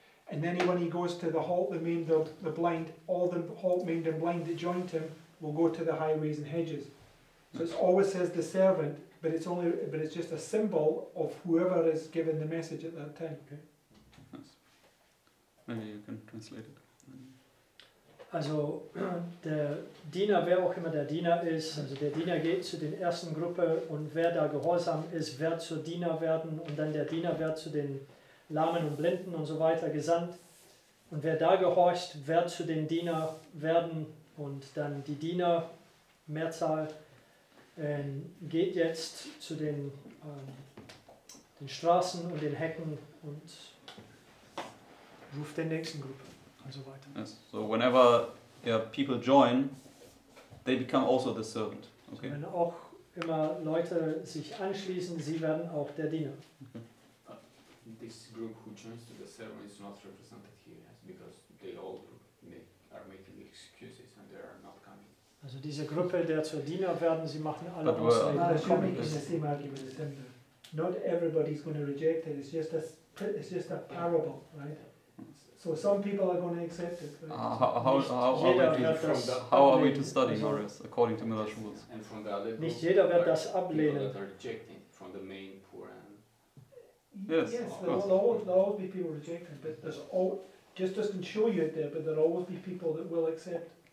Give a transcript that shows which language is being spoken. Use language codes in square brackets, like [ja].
[en] And then when he goes to the halt, the maimed, the blind, all the halt, maimed and blind that joined him will go to the highways and hedges. So it always says the servant, but it's only, but it's just a symbol of whoever is given the message at that time. Okay? Yes. Maybe you can translate it. [de] Also der Diener, wer auch immer der Diener ist, also der Diener geht zu den ersten Gruppe und wer da gehorsam ist, wird zu Diener werden und dann der Diener wird zu den Lahmen und Blinden und so weiter gesandt und wer da gehorcht, wird zu den Diener werden und dann die Diener, Mehrzahl, geht jetzt zu den, den Straßen und den Hecken und ruft den nächsten Gruppe. [en] Yes. So whenever people join, they become also the servant. Okay. [de] So wenn auch immer Leute sich anschließen, sie werden auch der Diener. [en] Okay. This group who joins to the servant is not represented here, yes, because they all are making excuses and they are not coming. [de] Also diese Gruppe, der zur Diener werden, sie machen alle Ausreden. [en] Not everybody is going to reject it. It's just a parable, right? So some people are going to accept it. How are we to study Norris according to Miller's rules? And from the other [de] nicht jeder wird das ablehnen. [en] People that are rejecting from the main poor and there'll always be people rejecting, but there's all just doesn't show you it there, but there'll always be people that will accept.